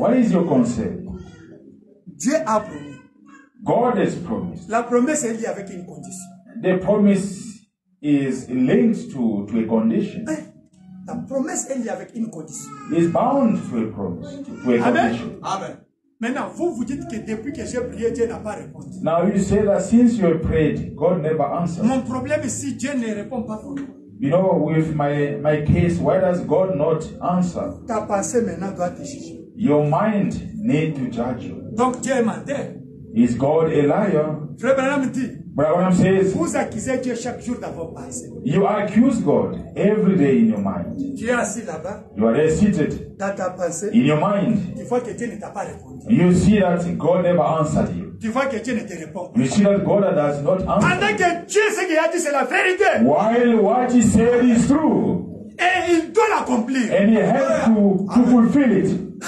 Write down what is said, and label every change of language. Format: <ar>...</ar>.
<en>What is your concern?</en> <fr>Dieu a promis.</fr> <en>God has promised.</en> <fr>La promesse est liée avec une condition.</fr> <en>The promise is linked to a condition.</en> <fr>La promesse est liée avec une condition.</fr> <en>It's bound to a promise, to a condition. Amen.</en> <fr>Maintenant, vous dites que depuis que j'ai prié, Dieu n'a pas répondu.</fr> <en>Now you say that since you have prayed, God never answered.</en> <fr>Mon problème est si Dieu ne répond pas pour nous.</fr> <en>You know, with my case, why does God not answer?</en> <fr>Ta pensée maintenant doit te juger.</fr> <en>Your mind need to judge you.</en> <fr>Donc Dieu est menteur.</fr> <en>Is God a liar?</en> <fr>Frère Branham dit.</fr> <en>Brother Branham says.</en> <fr>Vous accusez Dieu chaque jour dans vos pensées.</fr> <en>You accuse God every day in your mind.</en> <fr>Tu es assis là-bas.</fr> <en>You are seated.</en> <fr>Dans ta pensée.</fr> <en>In your mind.</en> <fr>Tu vois que Dieu ne t'a pas répondu.</fr> <en>You see that God never answered you.</en> <fr>Tu vois que Dieu ne te répond.</fr> <en>You see that God does not answer.</en> <fr>Pendant que Dieu ce qu'il a dit c'est la vérité.</fr> <en>While what he said is true.</en> <fr>Et il doit l'accomplir.</fr> <en>And he has to fulfill it.</en>